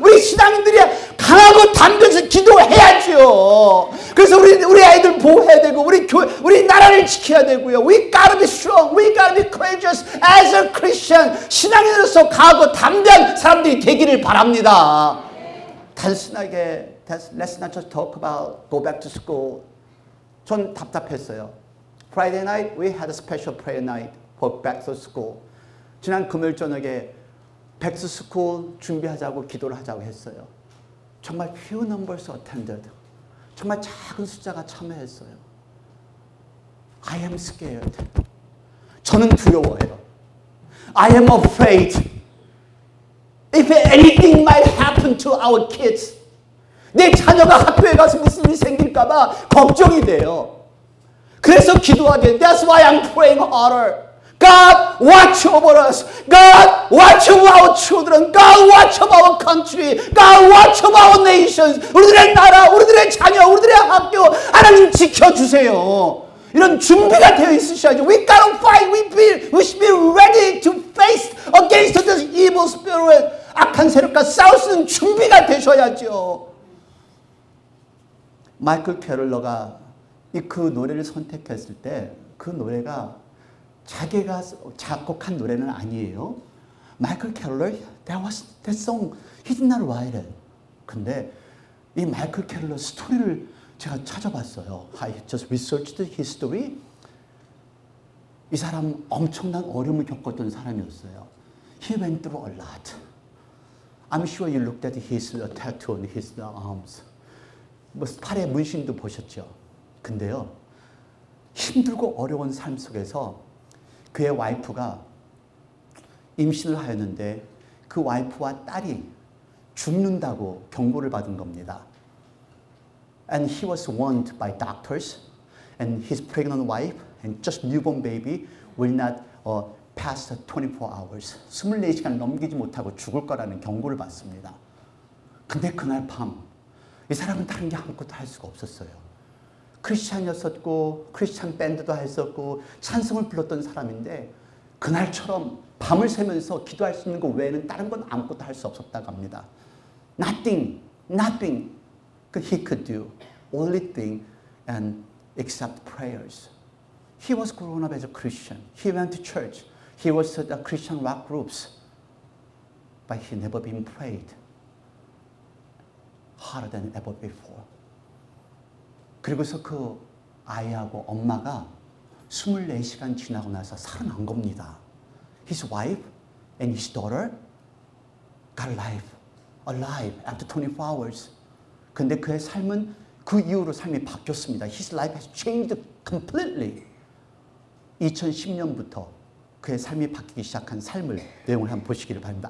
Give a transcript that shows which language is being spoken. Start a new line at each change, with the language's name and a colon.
Korean: 우리 신앙인들이 강하고 담대해서 기도해야죠. 그래서 우리 아이들 보호해야 되고 우리 나라를 지켜야 되고요.
English: We gotta be strong. We gotta be courageous as a Christian.
Korean: 신앙인으로서 강하고 담대한 사람들이 되기를 바랍니다. 단순하게
English: let's not just talk about go back to school.
Korean: 전 답답했어요.
English: Friday night we had a special prayer night for back to school.
Korean: 지난 금요일 저녁에 back to school 준비하자고 기도를 하자고 했어요. 정말
English: few numbers attended.
Korean: 정말 작은 숫자가 참여했어요.
English: I am scared.
Korean: 저는 두려워해요.
English: I am afraid. If anything might happen to our kids,
Korean: 내 자녀가 학교에 가서 무슨 일이 생길까봐 걱정이 돼요. 그래서 기도하게.
English: That's why I'm praying harder. God, watch over us. God, watch over our children. God, watch over our country. God, watch over our nations.
Korean: 우리들의 나라, 우리들의 자녀, 우리들의 학교. 하나님 지켜주세요. 이런 준비가 되어 있으셔야죠.
English: We gotta fight. We should be ready to face against this evil spirit.
Korean: 악한 세력과 싸울 수 있는 준비가 되셔야죠. 마이클 캐롤러가 그 노래를 선택했을 때 그 노래가 자기가 작곡한 노래는 아니에요.
English: 마이클 캐롤러, that song, he did not write it.
Korean: 근데 이 마이클 캐롤러 스토리를 제가 찾아봤어요.
English: I just researched his story.
Korean: 이 사람 엄청난 어려움을 겪었던 사람이었어요.
English: He went through a lot. I'm sure you looked at his tattoo on his arms.
Korean: 뭐 팔에 문신도 보셨죠. 근데요, 힘들고 어려운 삶 속에서 그의 와이프가 임신을 하였는데 그 와이프와 딸이 죽는다고 경고를 받은 겁니다.
English: And he was warned by doctors and his pregnant wife and just newborn baby will not past 24 hours.
Korean: 24시간 넘기지 못하고 죽을 거라는 경고를 받습니다. 근데 그날 밤 이 사람은 다른 게 아무것도 할 수가 없었어요. 크리스찬이었었고 크리스찬 밴드도 했었고 찬송을 불렀던 사람인데 그날처럼 밤을 새면서 기도할 수 있는 것 외에는 다른 건 아무것도 할 수 없었다고 합니다.
English: Nothing he could do. Only thing and except prayers. He was grown up as a Christian. He went to church. He was at the Christian rock groups. But he never been prayed harder than ever before.
Korean: 그리고서 그 아이하고 엄마가 24시간 지나고 나서 살아난 겁니다.
English: His wife and his daughter got alive after 24 hours.
Korean: 근데 그의 삶은 그 이후로 삶이 바뀌었습니다.
English: His life has changed completely.
Korean: 2010년부터 그의 삶이 바뀌기 시작한 삶을 내용을 한번 보시기를 바랍니다.